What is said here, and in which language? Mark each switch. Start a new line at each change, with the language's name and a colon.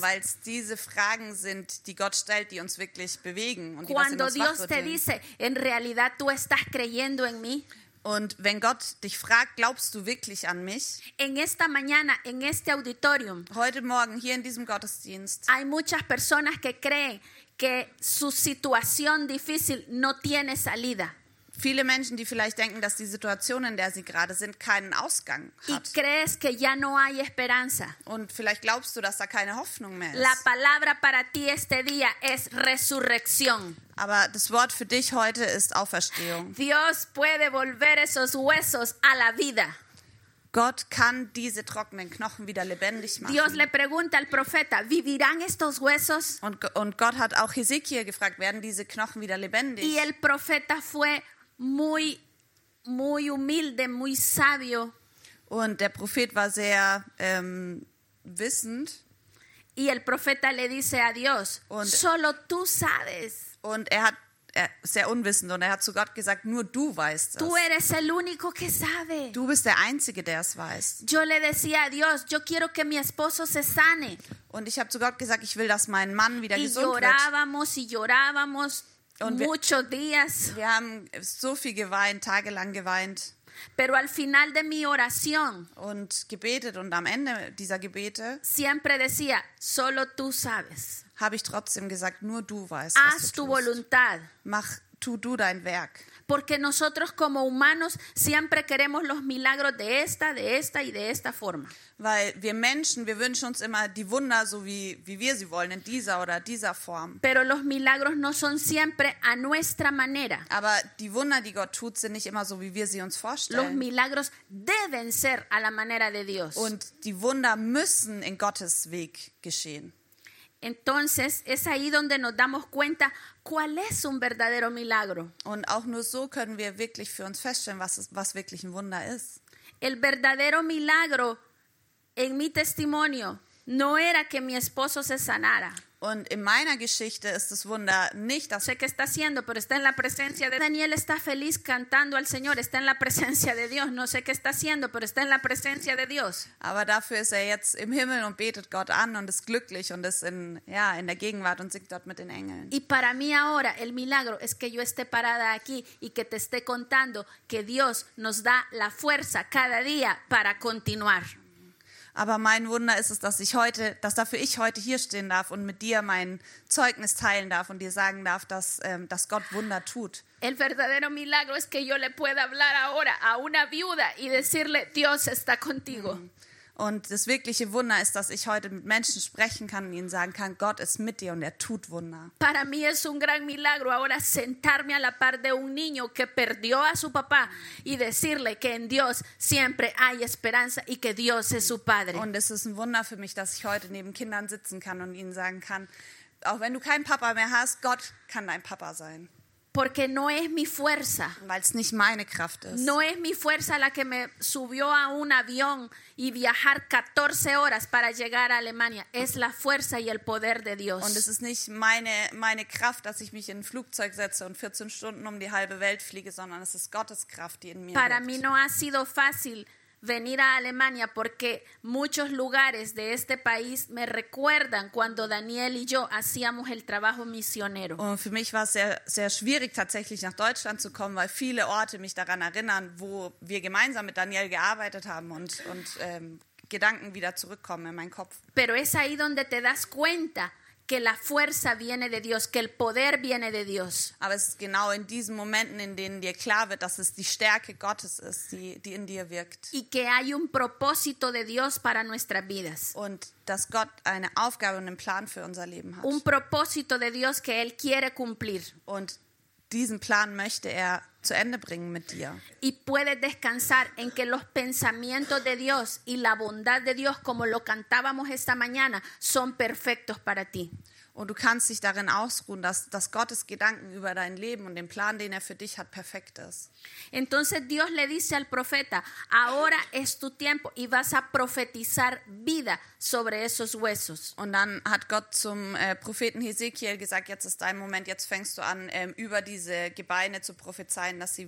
German: Weil es diese Fragen sind, die Gott stellt, die uns wirklich bewegen. Und
Spanish: cuando
German: die, uns
Spanish: Dios te dice, en realidad tú estás creyendo en mí.
German: Und wenn Gott dich fragt, glaubst du wirklich an mich?
Spanish: En esta mañana, en este auditorium.
German: Heute Morgen, hier in diesem Gottesdienst.
Spanish: Hay muchas personas que creen que su situación difícil no tiene salida.
German: Viele Menschen, die vielleicht denken, dass die Situation, in der sie gerade sind, keinen Ausgang hat.
Spanish: Y crees que ya no hay esperanza.
German: Und vielleicht glaubst du, dass da keine Hoffnung mehr ist.
Spanish: La palabra para ti este día es resurrección.
German: Aber das Wort für dich heute ist Auferstehung.
Spanish: Dios puede volver esos huesos a la vida.
German: Gott kann diese trockenen Knochen wieder lebendig machen.
Spanish: Dios le pregunta al profeta, ¿vivirán estos huesos?
German: Und Gott hat auch Hesekiel gefragt, werden diese Knochen wieder lebendig?
Spanish: Y el profeta fue muy, muy humilde, muy sabio.
German: Und der Prophet war sehr wissend.
Spanish: Y el profeta le dice a Dios, und, solo tú sabes.
German: Und er sehr unwissend und er hat zu Gott gesagt, nur du weißt es.
Spanish: Tú eres el único que sabe.
German: Du bist der Einzige, der es weiß.
Spanish: Yo le decía a Dios, yo quiero que mi esposo se sane.
German: Und ich habe zu Gott gesagt, ich will, dass mein Mann wieder
Spanish: y
German: gesund
Spanish: llorábamos,
German: wird.
Spanish: Y llorábamos und muchos días.
German: Wir haben so viel geweint, tagelang geweint.
Spanish: Pero al final de mi oración,
German: und gebetet und am Ende dieser Gebete
Spanish: siempre decía, solo tú sabes.
German: Habe ich trotzdem gesagt, nur du weißt,
Spanish: haz
German: was du
Spanish: tu
German: tust.
Spanish: Voluntad.
German: Mach, tu du dein Werk.
Spanish: Porque nosotros como humanos siempre queremos los milagros de esta y de esta forma.
German: Weil wir Menschen, wir wünschen uns immer die Wunder, so wie wir sie wollen, in dieser oder dieser Form.
Spanish: Pero los milagros no son siempre a nuestra manera.
German: Aber die Wunder, die Gott tut, sind nicht immer so, wie wir sie uns vorstellen.
Spanish: Los milagros deben ser a la manera de Dios.
German: Und die Wunder müssen in Gottes Weg geschehen.
Spanish: Entonces es ahí donde nos damos cuenta cuál es un verdadero milagro.
German: Und auch nur so können wir wirklich für uns feststellen, was wirklich ein Wunder ist.
Spanish: El verdadero milagro en mi testimonio no era que mi esposo se sanara.
German: Und in meiner Geschichte ist das Wunder nicht das.
Spanish: Sé que está haciendo, pero está en la presencia de Daniel. Está feliz cantando al Señor. Está en la presencia de Dios. No sé qué está haciendo, pero está en la presencia de Dios.
German: Aber dafür ist er jetzt im Himmel und betet Gott an und ist glücklich und ist in, ja, in der Gegenwart und singt dort mit den Engeln.
Spanish: Y para mí ahora el milagro es que yo esté parada aquí y que te esté contando que Dios nos da la fuerza cada día para continuar.
German: Aber mein Wunder ist es, dass ich heute hier stehen darf und mit dir mein Zeugnis teilen darf und dir sagen darf, dass Gott Wunder tut.
Spanish: El verdadero milagro es que yo le pueda hablar ahora a una viuda y decirle Dios está contigo.
German: Und das wirkliche Wunder ist, dass ich heute mit Menschen sprechen kann und ihnen sagen kann, Gott ist mit dir und er tut Wunder.
Spanish: Para mí es un gran milagro ahora sentarme a la par de un niño que perdió a su papá y decirle que en Dios siempre hay esperanza y que Dios es su padre.
German: Und es ist ein Wunder für mich, dass ich heute neben Kindern sitzen kann und ihnen sagen kann, auch wenn du keinen Papa mehr hast, Gott kann dein Papa sein.
Spanish: Porque no es mi fuerza.
German: Weil es nicht meine Kraft ist.
Spanish: No es mi fuerza la que me subió a un avión y viajar 14 horas para llegar a Alemania. Es la fuerza y el poder de Dios.
German: Und es ist nicht meine Kraft, dass ich mich in ein Flugzeug setze und 14 Stunden um die halbe Welt fliege, sondern es ist Gottes Kraft, die in mir
Spanish: para
German: wirkt.
Spanish: Mí no ha sido fácil venir a Alemania porque muchos lugares de este país me recuerdan cuando Daniel y yo hacíamos el trabajo misionero.
German: Und für mich war es sehr, sehr schwierig, tatsächlich nach Deutschland zu kommen, weil viele Orte mich daran erinnern, wo wir gemeinsam mit Daniel gearbeitet haben und Gedanken wieder zurückkommen in meinen Kopf.
Spanish: Pero es ahí donde te das cuenta que la fuerza viene de Dios, que el poder viene de Dios.
German: Aber es ist genau in diesen Momenten, in denen dir klar wird, dass es die Stärke Gottes ist, die in dir wirkt.
Spanish: Y que hay un propósito de Dios para nuestras vidas.
German: Und dass Gott eine Aufgabe und einen Plan für unser Leben hat.
Spanish: Un propósito de Dios que él quiere cumplir.
German: Und diesen Plan möchte er zu Ende bringen mit dir.
Spanish: Y puedes descansar en que los pensamientos de Dios y la bondad de Dios, como lo cantábamos esta mañana, son perfectos para ti.
German: Und du kannst dich darin ausruhen, dass Gottes Gedanken über dein Leben und den Plan, den er für dich hat, perfekt ist.
Spanish: Entonces Dios le dice al profeta, ahora es tu tiempo y vas a profetizar vida sobre esos huesos.
German: Und dann hat Gott zum Propheten Hesekiel gesagt, jetzt ist dein Moment, jetzt fängst du an, über diese Gebeine zu prophezeien, dass sie